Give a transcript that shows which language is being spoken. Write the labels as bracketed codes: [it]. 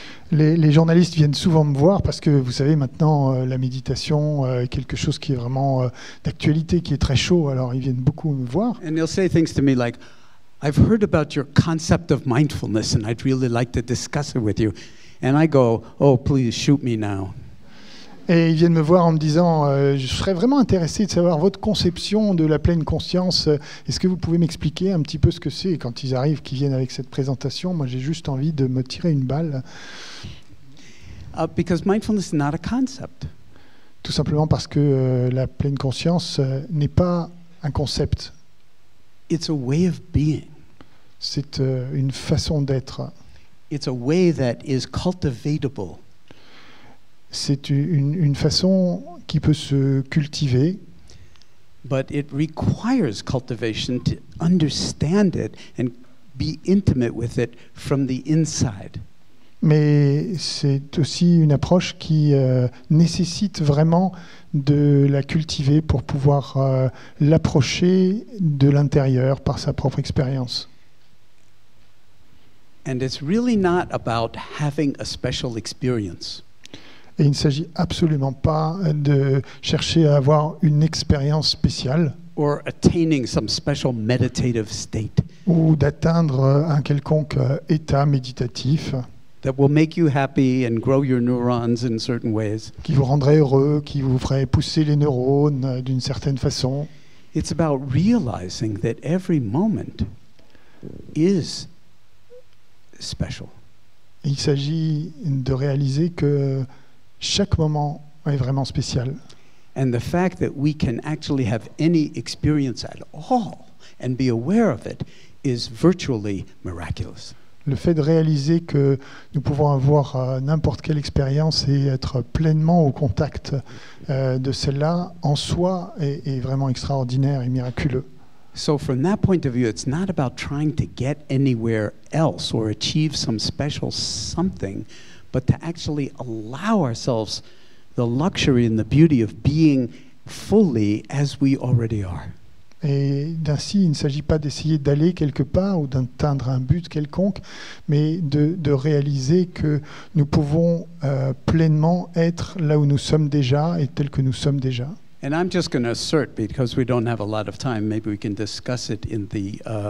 [fr] Les journalistes viennent souvent me voir parce que vous savez maintenant la méditation est quelque chose qui est vraiment d'actualité, qui est très chaud. Alors ils viennent beaucoup me voir. [en] And they'll say things to me like, I've heard about your concept of mindfulness and I'd really like to discuss it with you. And I go, oh, please shoot me now. [fr] Et ils viennent me voir en me disant je serais vraiment intéressé de savoir votre conception de la pleine conscience. Est-ce que vous pouvez m'expliquer un petit peu ce que c'est? Et quand ils arrivent, qu'ils viennent avec cette présentation, moi j'ai juste envie de me tirer une balle. [en] Because mindfulness is not a concept. [fr] Tout simplement parce que la pleine conscience n'est pas un concept. [en] It's a way of being. [fr] C'est une façon d'être. [en] It's a way that is cultivatable. [fr] C'est une façon qui peut se cultiver. [en] But it requires cultivation to understand it and be intimate with it from the inside. [fr] Mais c'est aussi une approche qui nécessite vraiment de la cultiver pour pouvoir l'approcher de l'intérieur par sa propre expérience. [en] And it's really not about having a special experience. [fr] Et il ne s'agit absolument pas de chercher à avoir une expérience spéciale [en] or attaining some special meditative state [fr] ou d'atteindre un quelconque état méditatif [en] that will make you happy and grow your neurons in certain ways [fr] qui vous rendrait heureux, qui vous ferait pousser les neurones d'une certaine façon. [en] It's about realizing that every moment is special. [fr] Il s'agit de réaliser que chaque moment est vraiment spécial. [en] And the fact that we can actually have any experience at all and be aware of it is virtually miraculous. [fr] Le fait de réaliser que nous pouvons avoir n'importe quelle expérience et être pleinement au contact de celle-là en soi est vraiment extraordinaire et miraculeux. [en] So from that point of view, it's not about trying to get anywhere else or achieve some special something, but to actually allow ourselves the luxury and the beauty of being fully as we already are. [fr] Et ainsi, il ne s'agit pas d'essayer d'aller quelque part ou d'atteindre un but quelconque, mais de réaliser que nous pouvons pleinement être là où nous sommes déjà et tel que nous sommes déjà. [en] And I'm just going to assert, because we don't have a lot of time, maybe we can discuss it in the